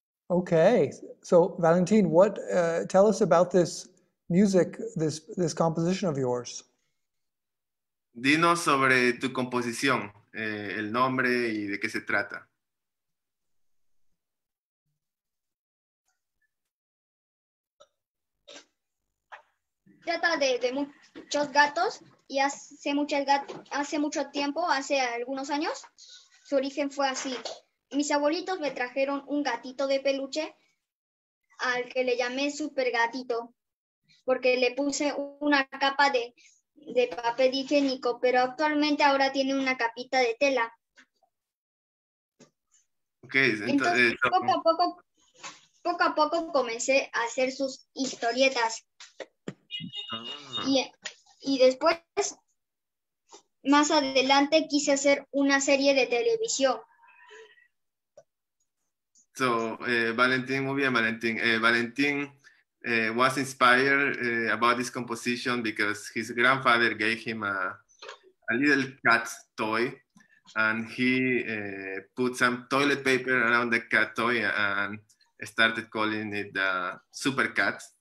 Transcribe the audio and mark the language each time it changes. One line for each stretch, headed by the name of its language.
English: Okay, so Valentin, what tell us about this music, this composition of yours.
Spanish: Dinos sobre tu composición, el nombre y de qué se trata. Trata de muchos gatos y hace mucho tiempo, hace algunos años, su origen fue así. Mis abuelitos me trajeron un gatito de peluche al que le llamé Super Gatito porque le puse una capa de papel higiénico, pero actualmente ahora tiene una capita de tela. Okay, entonces poco a poco comencé a hacer sus historietas. Y después, más adelante, quise hacer una serie de televisión. So, Valentin, muy bien, Valentin.
English: Valentin was inspired about this composition because his grandfather gave him a little cat toy, and he put some toilet paper around the cat toy and started calling it the Super Cat.